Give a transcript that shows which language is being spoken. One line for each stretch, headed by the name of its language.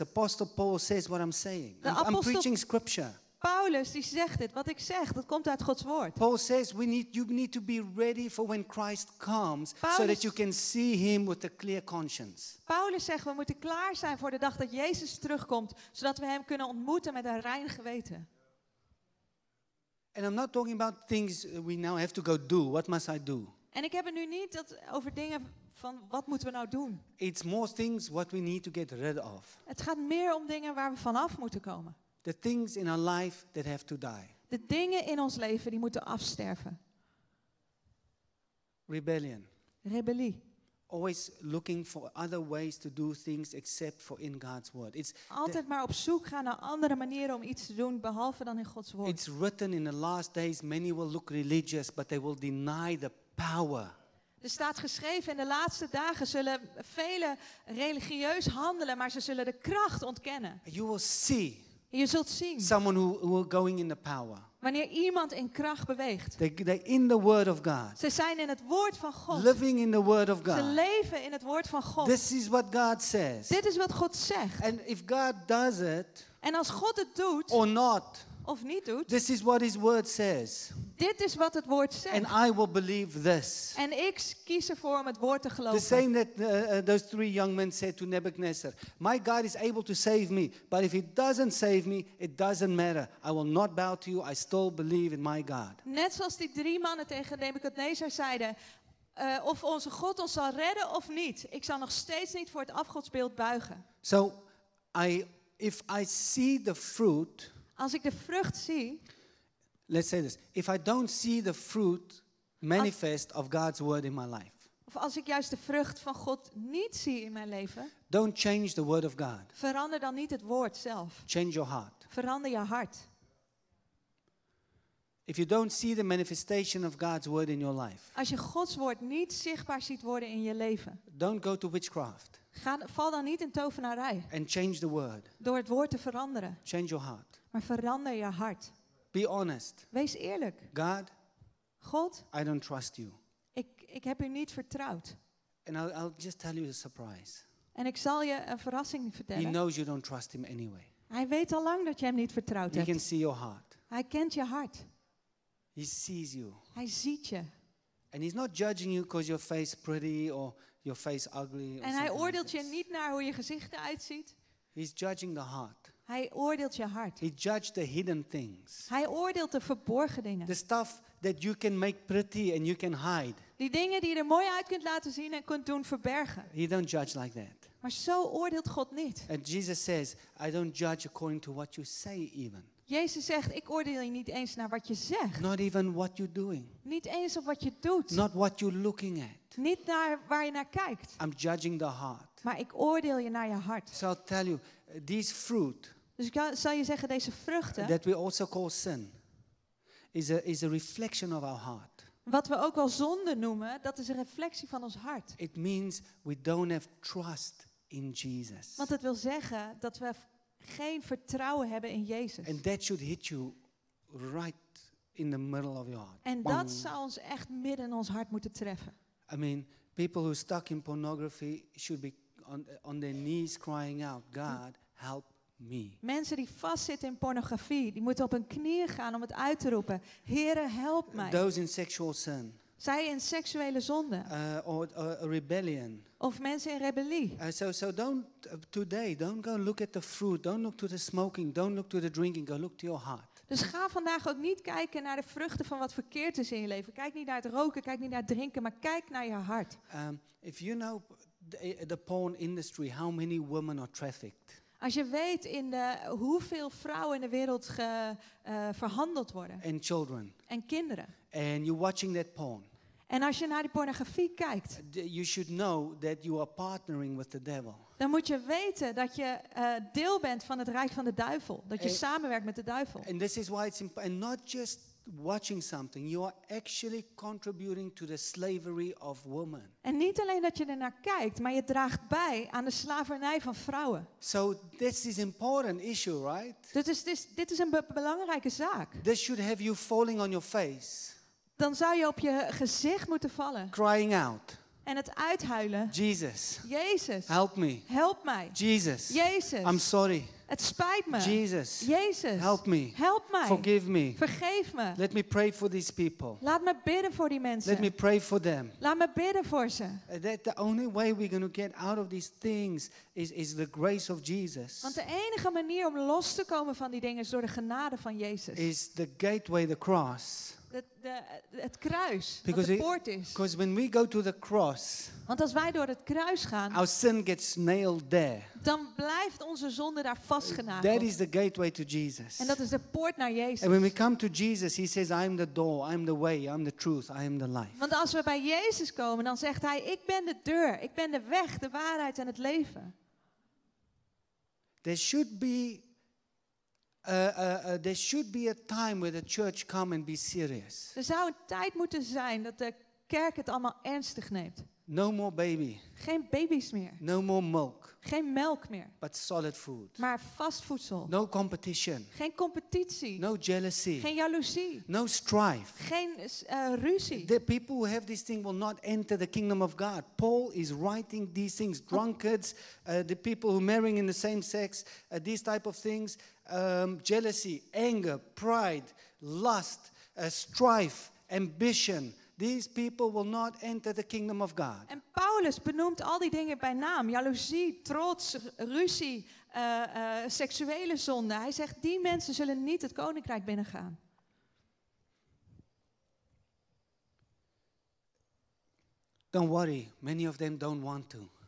English: Apostle Paul says what I'm saying. I'm preaching scripture.
Dutch: Paulus die zegt dit, wat ik zeg, dat komt uit Gods woord.
English: Paul says you need to be ready for when Christ comes,
Dutch: Paulus,
English: so that you can see him with a clear conscience.
Dutch: Paulus zegt we moeten klaar zijn voor de dag dat Jezus terugkomt, zodat we hem kunnen ontmoeten met een rein geweten.
English: And I'm not talking about things we now have to go do. What must I do?
Dutch: En ik heb het nu niet dat over dingen van wat moeten we nou doen.
English: It's more things what we need to get rid of.
Dutch: Het gaat meer om dingen waar we vanaf moeten komen.
English: The things in our life that have to die.
Dutch: De dingen in ons leven die moeten afsterven.
English: Rebellion.
Dutch: Rebellie.
English: Always looking for other ways to do things except for in God's word. It's
Dutch: altijd maar op zoek gaan naar andere manieren om iets te doen behalve dan in Gods woord.
English: It's written in the last days many will look religious but they will deny the power.
Dutch: Er staat geschreven in de laatste dagen zullen velen religieus handelen maar ze zullen de kracht ontkennen.
English: You will see.
Dutch: Je zult zien.
English: Someone who is going in the power.
Dutch: Wanneer iemand in kracht beweegt.
English: They in the word of God.
Dutch: Ze zijn in het woord van God.
English: Living in the word of God.
Dutch: Ze leven in het woord van God.
English: This is what God says.
Dutch: Dit is wat God zegt.
English: And if God does it.
Dutch: En als God het doet.
English: Or not.
Dutch: Of niet doet.
English: This is what his word says.
Dutch: Dit is wat het woord zegt.
English: And I will believe this.
Dutch: En ik kies ervoor om het woord te geloven.
English: The same that those three young men said to Nebuchadnezzar. My God is able to save me. But if he doesn't save me, it doesn't matter. I will not bow to you. I still believe in my God.
Dutch: Net zoals die drie mannen tegen Nebuchadnezzar zeiden. Of onze God ons zal redden of niet. Ik zal nog steeds niet voor het afgodsbeeld buigen.
English: So, if I see the fruit.
Dutch: Als ik de vrucht zie.
English: Let's say this. If I don't see the fruit manifest of God's word in my life.
Dutch: Of als ik juist de vrucht van God niet zie in mijn leven.
English: Don't change the word of God.
Dutch: Verander dan niet het woord zelf.
English: Change your heart.
Dutch: Verander je hart.
English: If you don't see the manifestation of God's word in your life.
Dutch: Als je Gods woord niet zichtbaar ziet worden in je leven.
English: Don't go to witchcraft.
Dutch: Val dan niet in tovenarij.
English: And change the word.
Dutch: Door het woord te veranderen.
English: Change your heart.
Dutch: Maar verander je hart.
English: Be honest.
Dutch: Wees eerlijk.
English: God.
Dutch: God.
English: I don't trust you.
Dutch: Ik heb u niet vertrouwd.
English: And I'll just tell you a surprise.
Dutch: En ik zal je een verrassing vertellen.
English: He knows you don't trust him anyway.
Dutch: Hij weet al lang dat je hem niet vertrouwd
English: He
Dutch: hebt.
English: He can see your heart.
Dutch: Hij kent je hart.
English: He sees you.
Dutch: Hij ziet je.
English: And he's not judging you because your face pretty or your face ugly.
Dutch: En hij oordeelt je niet naar hoe je gezicht eruit ziet.
English: He's judging the heart.
Dutch: Hij oordeelt je hart.
English: He judged the hidden things.
Dutch: Hij oordeelt de verborgen dingen.
English: The stuff that you can make pretty and you can hide.
Dutch: Die dingen die je er mooi uit kunt laten zien en kunt doen verbergen.
English: He don't judge like that.
Dutch: Maar zo oordeelt God niet.
English: And Jesus says, I don't judge according to what you say even.
Dutch: Jezus zegt, ik oordeel je niet eens naar wat je zegt.
English: Not even what you're doing.
Dutch: Niet eens op wat je doet.
English: Not what you're looking at.
Dutch: Niet naar waar je naar kijkt.
English: I'm judging the heart.
Dutch: Maar ik oordeel je naar je hart.
English: So I'll tell you, these fruit.
Dutch: Dus ik zal je zeggen, deze vruchten.
English: That we also call sin. Is a reflection of our heart.
Dutch: Wat we ook wel zonde noemen, dat is een reflectie van ons hart.
English: It means we don't have trust in Jesus.
Dutch: Want het wil zeggen dat we geen vertrouwen hebben in Jezus.
English: And that should hit you right in the middle of your heart.
Dutch: En dat zou ons echt midden in ons hart moeten treffen.
English: I mean, people who are stuck in pornography should be on their knees crying out, God, help. Me.
Dutch: Mensen die vastzitten in pornografie, die moeten op hun knieën gaan om het uit te roepen. Heere, help mij.
English: Those in sexual sin.
Dutch: Zij in seksuele zonde.
English: Or rebellion.
Dutch: Of mensen in rebellie.
English: So don't today, don't go look at the fruit, don't look to the smoking, don't look to the drinking, go look to your heart.
Dutch: Dus ga vandaag ook niet kijken naar de vruchten van wat verkeerd is in je leven. Kijk niet naar het roken, kijk niet naar het drinken, maar kijk naar je hart.
English: If you know the porn industry, how many women are trafficked?
Dutch: Als je weet in de hoeveel vrouwen in de wereld verhandeld worden.
English: And children.
Dutch: En kinderen.
English: And you're watching that porn.
Dutch: En als je naar die pornografie kijkt.
English: You should know that you are partnering with the devil.
Dutch: Dan moet je weten dat je deel bent van het rijk van de duivel. Dat je samenwerkt met de duivel.
English: And this is why it's important. And not just watching something, you are actually contributing to the slavery of women.
Dutch: En niet alleen dat je ernaar kijkt, maar je draagt bij aan de slavernij van vrouwen.
English: So this is important issue, right?
Dutch: Dit is een belangrijke zaak.
English: This should have you falling on your face.
Dutch: Dan zou je op je gezicht moeten vallen.
English: Crying out.
Dutch: En het uithuilen.
English: Jesus.
Dutch: Jezus.
English: Help me.
Dutch: Help mij.
English: Jesus.
Dutch: Jezus.
English: I'm sorry.
Dutch: Het spijt me.
English: Jesus.
Dutch: Jezus.
English: Help me.
Dutch: Help mij.
English: Forgive me.
Dutch: Vergeef me.
English: Let me pray for these people.
Dutch: Laat me bidden voor die mensen.
English: Let me pray for them.
Dutch: Laat me bidden voor ze.
English: That the only way we're going to get out of these things is the grace of Jesus.
Dutch: Want de enige manier om los te komen van die dingen is door de genade van Jezus.
English: Is the gateway, the cross.
Dutch: Het kruis,
English: because
Dutch: wat de poort is.
English: Because when we go to the cross,
Dutch: want als wij door het kruis gaan,
English: our sin gets nailed there.
Dutch: Dan blijft onze zonde daar vastgenageld.
English: That is the gateway to Jesus.
Dutch: En dat is de poort naar Jezus.
English: And when we come to Jesus, he says, I am the door, I am the way, I am the truth, I am the life.
Dutch: Want als we bij Jezus komen, dan zegt hij, ik ben de deur, ik ben de weg, de waarheid en het leven.
English: There should be there should be a time where the church come and be serious.
Dutch: Er zou een tijd moeten zijn dat de kerk het allemaal ernstig neemt.
English: No more baby.
Dutch: Geen baby's meer.
English: No more milk.
Dutch: Geen melk meer.
English: But solid food.
Dutch: Maar vast voedsel.
English: No competition.
Dutch: Geen competitie.
English: No jealousy.
Dutch: Geen jaloezie.
English: No strife.
Dutch: Geen ruzie.
English: The people who have this thing will not enter the kingdom of God. Paul is writing these things. Drunkards, the people who marrying in the same sex, these type of things. Jealousy, anger, pride, lust, strife, ambition. These people will not enter the kingdom of God.
Dutch: En Paulus benoemt al die dingen bij naam. Jaloezie, trots, ruzie, seksuele zonde. Hij zegt, die mensen zullen niet het koninkrijk binnengaan.
English: Don't worry, many of them don't want to.